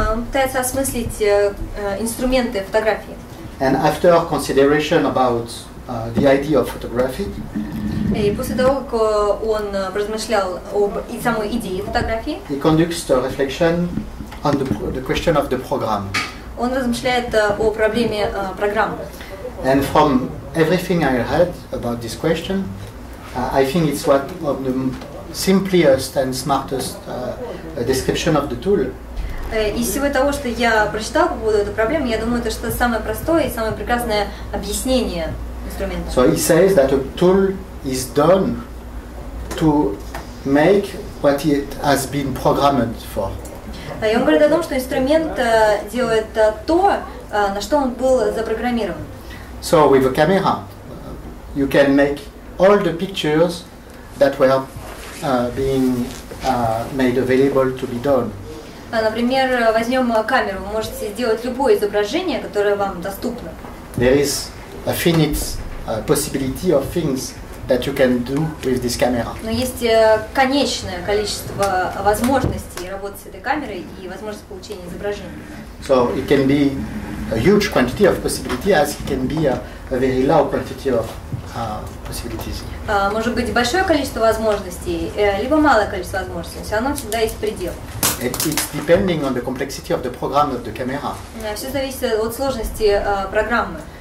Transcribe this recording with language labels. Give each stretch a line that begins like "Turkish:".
Russian: Пытается осмыслить инструменты фотографии.
English: And after consideration about the idea of photography,
Russian: и после того, как он размышлял об и самой идее фотографии,
English: he conducts a reflection on the question of the program.
Russian: Он размышляет о проблеме программы.
English: And from everything I heard about this question, I think it's one of the simplest and smartest description of the tool.
Russian: Из всего того, что я прочитал по поводу этой проблемы, я думаю, это что-то самое простое и самое прекрасное объяснение инструмента.
English: So he says that a tool is done to make what it has been programmed for.
Russian: И он говорит о том, что инструмент делает то, на что он был запрограммирован.
English: So with a camera, you can make all the pictures that were being made available to be done.
Russian: Например, возьмем камеру. Вы можете сделать любое изображение, которое вам доступно.
English: There is a finite possibility of things that you can do with this camera.
Russian: Но есть конечное количество возможностей работать с этой камерой и возможность получения изображения.
English: So it can be a huge quantity of possibility, as it can be a very low quantity of possibilities.
Russian: Может быть большое количество возможностей, либо малое количество возможностей. Все равно всегда есть предел.
English: It's depending on the complexity of the program of the camera.
Russian: Все зависит от сложности программы.